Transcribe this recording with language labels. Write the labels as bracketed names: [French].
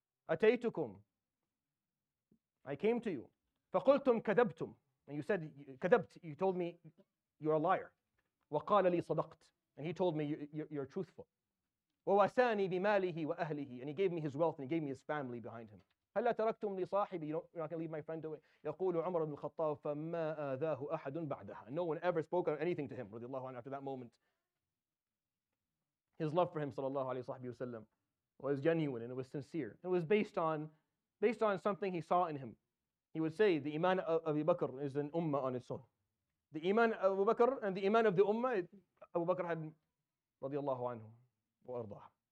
[Arabic] أَتَيْتُكُمْ. [English] I came to you. [Arabic] فَقُلْتُمْ كَذَبْتُمْ. [English] And you said, [Arabic] كَذَبْت. [English] You told me you're a liar. [Arabic] وَقَالَ لِي صَدَقْت. [English] And he told me you're truthful. [Arabic] وَوَسَانِي بِمَالِهِ وَأَهْلِهِ. [English] And he gave me his wealth and he gave me his family behind him. [Arabic] هَلَّا تَرَكْتُمْ لِي صَاحِبِي. [English] You're not going to leave my friend away. [Arabic] يَقُولُ عُمَرُ بْنُ الْخَطَّابِ فَمَّا آذَاهُ أَحَدٌ بَعْدَهَا. [English] No one ever spoke anything to him, رضي الله عنه, after that moment. His love for him, sallallahu alayhi wa sallam, was genuine and it was sincere. It was based on something he saw in him. He would say, the iman of Abu Bakr is an ummah on its own. The iman of Abu Bakr and the iman of the ummah, Abu Bakr had, radiyallahu anhu, wa ardaha.